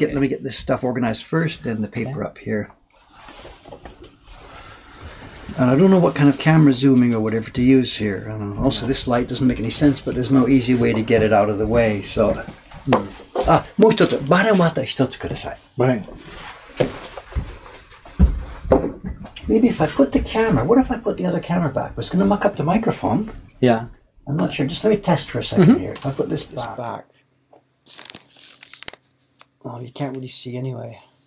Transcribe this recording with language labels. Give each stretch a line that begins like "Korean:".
English: Let me get this stuff organized first, then the paper up here. And I don't know what kind of camera zooming or whatever to use here. I don't know. Also, this light doesn't make any sense, but there's no easy way to get it out of the way.
Japanese: So, もう一つ、バネまた一つください。
English: Bang. Maybe if I put the camera, what if I put the other camera back? It's going to muck up the microphone. Yeah. I'm not sure. Just let me test for a second here. If I put this back. Oh, you can't really see anyway.